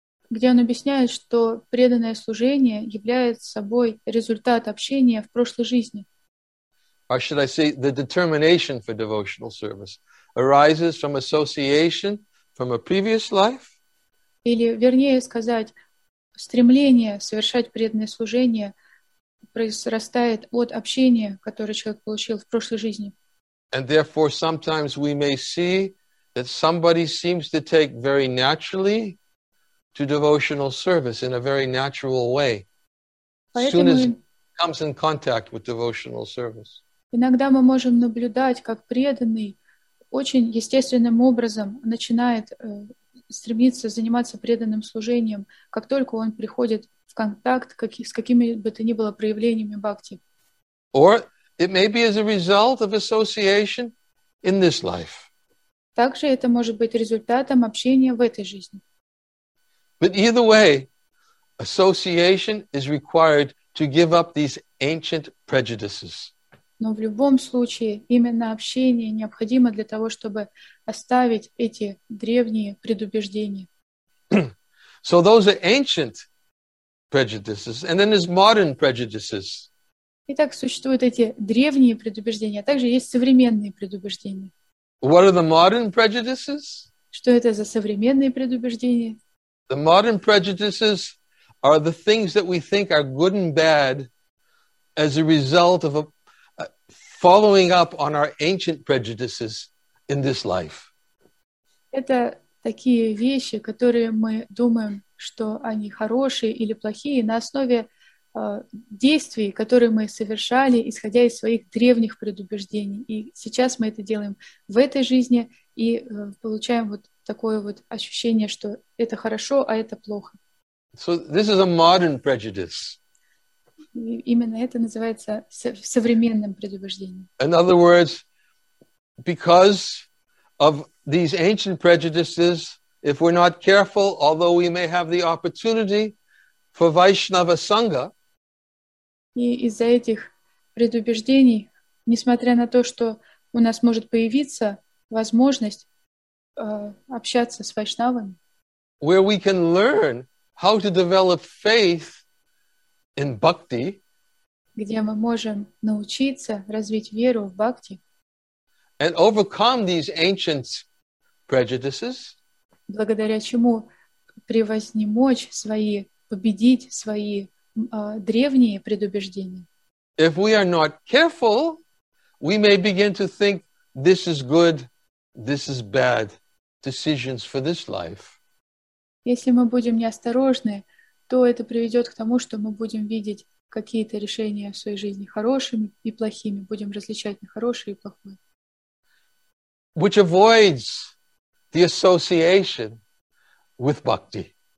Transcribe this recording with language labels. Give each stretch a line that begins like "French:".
Russian: Где он объясняет, что преданное служение является собой результат общения в прошлой жизни.
English: Or should I say the determination for devotional service arises from association from a previous life?
Russian: Или, вернее сказать, стремление совершать преданное служение произрастает от общения, которое человек получил в прошлой жизни.
English: And therefore, sometimes we may see that somebody seems to take very naturally to devotional service in a very natural way.
Russian: Поэтому
English: soon as he comes in contact with devotional service.
Russian: Иногда мы можем наблюдать, как преданный очень естественным образом начинает стремиться заниматься преданным служением, как только он приходит в контакт с какими бы то ни было проявлениями бхакти.
English: Or it may be as a result of association in this life.
Russian: Также это может быть результатом общения в этой жизни.
English: But either way, association is required to give up these ancient prejudices.
Russian: Но в любом случае, именно общение необходимо для того, чтобы оставить эти древние предубеждения.
English: So those are ancient prejudices, and then there's modern prejudices.
Russian: Итак, существуют эти древние предубеждения, а также есть современные предубеждения.
English: What are the modern prejudices?
Russian: Что это за современные предубеждения?
English: The modern prejudices are the things that we think are good and bad as a result of following up on our ancient prejudices in this life.
Russian: Это такие вещи, которые мы думаем, что они хорошие или плохие на основе действий, которые мы совершали, исходя из своих древних предубеждений. И сейчас мы это делаем в этой жизни и получаем вот такое вот ощущение, что это хорошо, а это плохо.
English: So this is a modern prejudice.
Russian: Именно это называется современным предубеждением.
English: In other words, because of these ancient prejudices, if we're not careful, although we may have the opportunity for Vaishnava Sangha,
Russian: и из-за этих предубеждений, несмотря на то, что у нас может появиться возможность общаться с вайшнавами,
English: where we can learn how to develop faith in bhakti,
Russian: где мы можем научиться развить веру в бхакти,
English: and overcome these ancient prejudices,
Russian: благодаря чему превознемочь свои, победить свои древние предубеждения.
English: If we are not careful, we may begin to think this is good, this is bad decisions for this life.
Russian: Если мы будем неосторожны, то это приведет к тому, что мы будем видеть какие-то решения в своей жизни хорошими и плохими, будем различать на хорошие и плохие.
English: Which avoids the association with bhakti.